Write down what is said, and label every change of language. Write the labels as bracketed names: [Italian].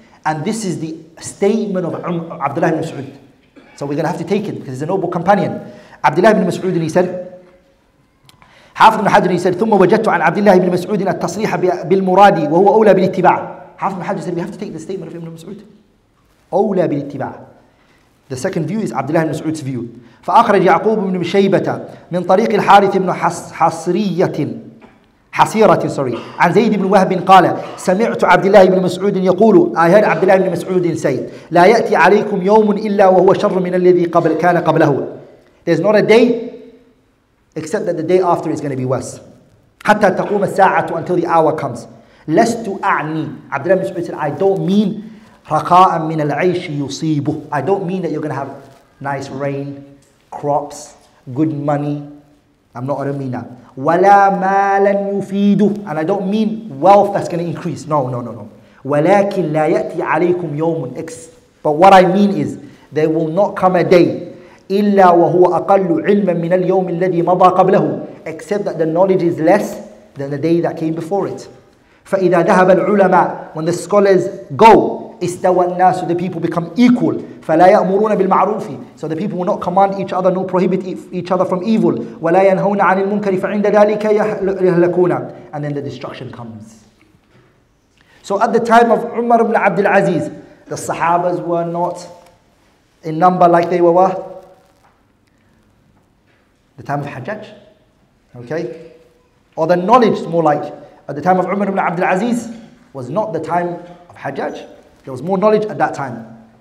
[English] And this is the statement of Abdullah ibn Mas'ud. So we're going to have to take it because he's a noble companion. Abdullah ibn Mas'ud, he said, Hafidh ibn Hajr, he said, [Arabic] ثُمَّ وَجَدْتُ عَنْ عَبْدِ اللَّهِ بِنِ مَسْعُودِنَا التَّصْرِيحَ بِالْمُرَادِ وَهُوَ أَوْلَى بِالْاتِّبَاعِ [English] Hafidh ibn Hajr said, we have to take the statement of Ibn Mas'ud. [Arabic] أَوْلَى بِالْاتِّبَاعِ [English] The second view is Abdullah ibn Mas'ud's view. [Arabic] فَأَخْرَجْ يَعْقُوبُ بْنُ شَيْبَةَ مِنْ طَرِيقِ الْحَارِثِ بْنُ حَصْرِيَّةٍ حصيرة sorry عن زيد بن وهب قال سمعت عبد الله بن مسعود يقول [English] I heard [Arabic] عبد الله بن مسعود say لا يأتي عليكم يوم إلا وهو شر من الذي قبل كان قبله [English] There's not a day except that the day after is going to be worse [Arabic] حتى تقوم الساعة [English] until the hour comes [Arabic] لست أعني [English] عبد الله بن مسعود said I don't mean [Arabic] رقاء من العيش يصيبه [English] I don't mean that you're going to have nice rain crops good money I'm not going to mean that. [Arabic] وَلَا مَالًا يُفِيدُ [English] And I don't mean wealth that's going to increase. [Arabic] No. وَلَكِنْ لَا يَأْتِي عَلَيْكُمْ يَوْمٌ X. [English] But what I mean is, there will not come a day [Arabic] إِلَّا وَهُوَ أَقَلُّ عِلْمًا مِنَ الْيَوْمِ الَّذِي مَضَى قَبْلَهُ [English] Except that the knowledge is less than the day that came before it. [Arabic] فَإِذَا ذَهَبَ الْعُلَمَاءُ [English] When the scholars go, [Arabic] إِسْتَوَى النَّاسُ [English] The people become equal. [Arabic] فَلَا يَأْمُرُونَ بِالْمَعْرُوفِ [English] So the people will not command each other, nor prohibit each other from evil. [Arabic] وَلَا يَنْهَوْنَ عَنِ الْمُنْكَرِ فَعِنْدَ ذَلِكَ يَهْلَكُونَ [English] And then the destruction comes. So at the time of Umar ibn Abdul Aziz, the Sahabas were not in number like they were what? The time of Hajjaj. Okay? Or the knowledge more like at the time of Umar ibn Abdul Aziz was not the time of Hajjaj. There was more knowledge at that time.